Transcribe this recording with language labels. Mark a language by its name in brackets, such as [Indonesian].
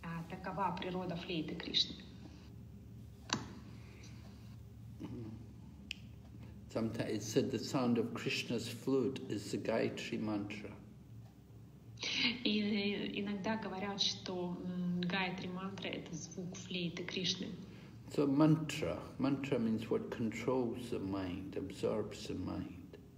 [Russian] Такова природа флейты Кришны. [English] Sometimes it said the sound of Krishna's flute is the Gayatri mantra. [Russian] И иногда говорят, что Гайатри мантра — это звук флейты Кришны. [English] So mantra means what controls the mind, absorbs the mind.